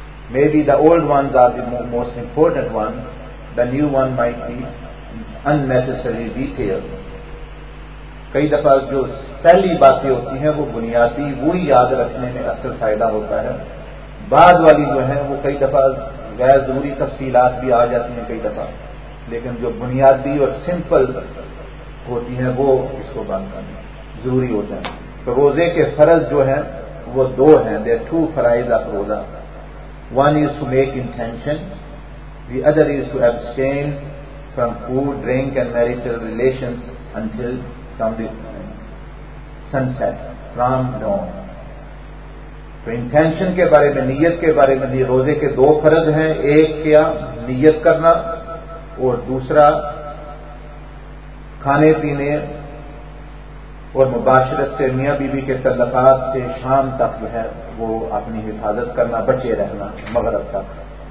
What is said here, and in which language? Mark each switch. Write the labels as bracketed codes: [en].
[en] may be the old ones are the most important one the new one might be unnecessary detail [ur] کئی دفعہ جو پہلی باتیں ہوتی ہیں وہ بنیادی وہی یاد رکھنے میں اصل فائدہ ہوتا ہے بعد والی جو ہیں وہ کئی دفعہ غیر ضروری تفصیلات بھی آ جاتی ہیں کئی دفعہ لیکن جو بنیادی اور سمپل ہوتی ہیں وہ اس کو بند کرنا ضروری ہوتا ہے تو روزے کے فرض جو ہیں وہ دو ہیں [en] The two فرائض of roza one is to make intention The other is to abstain from food, drink and marital relations until from the sunset, from dawn. [ur] تو انٹینشن کے بارے میں, نیت کے بارے میں, روزے کے دو فرض ہیں, ایک کیا نیت کرنا اور دوسرا کھانے پینے اور مباشرت سے میاں بیوی کے تعلقات سے شام تک جو ہے وہ اپنی حفاظت کرنا, بچے رہنا مغرب تک.